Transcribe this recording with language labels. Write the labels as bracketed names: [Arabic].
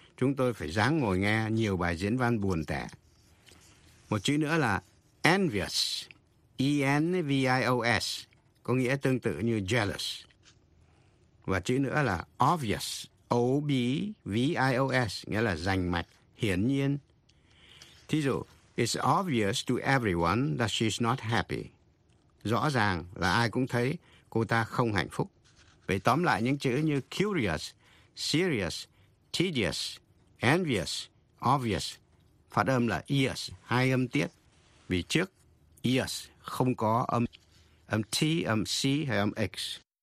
[Vietnamese] Chúng tôi phải ráng ngồi nghe nhiều bài diễn văn buồn tẻ. Một chữ nữa là envious. E-N-V-I-O-S. Có nghĩa tương tự như jealous. Và chữ nữa là obvious, O-B-V-I-O-S, nghĩa là rành mạch, hiển nhiên. Thí dụ, [English] it's obvious to everyone that she's not happy. [Vietnamese] Rõ ràng là ai cũng thấy cô ta không hạnh phúc. Vậy tóm lại những chữ như curious, serious, tedious, envious, obvious, phát âm là ears, hai âm tiết. Vì trước ears không có âm T, âm C hay âm X.